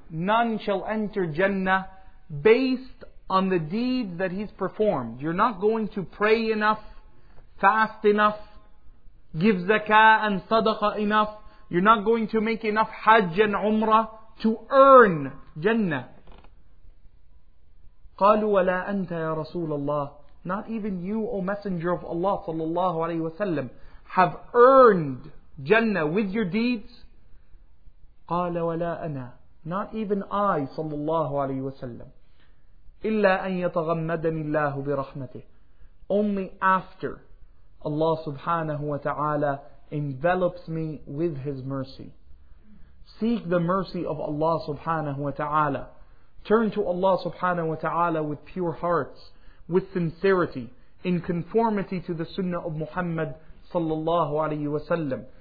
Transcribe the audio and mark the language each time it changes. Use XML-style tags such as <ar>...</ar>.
<en>None shall enter Jannah based on the deeds that he's performed. You're not going to pray enough, fast enough, give zakah and sadaqah enough. You're not going to make enough hajj and umrah to earn Jannah.</en> <ar>قالوا ولا أنت يا رسول الله.</ar> <en>Not even you, O Messenger of Allah</en> <ar>صلى الله عليه وسلم,</ar> <en>have earned Jannah with your deeds.</en> <ar>قال ولا أنا.</ar> <en>Not even I,</en> <ar>صلى الله عليه وسلم. إلا أن يتغمدني الله برحمته.</ar> <en>Only after Allah subhanahu wa ta'ala envelops me with His mercy. Seek the mercy of Allah subhanahu wa ta'ala. Turn to Allah subhanahu wa ta'ala with pure hearts, with sincerity, in conformity to the sunnah of Muhammad sallallahu alayhi wa sallam.</en>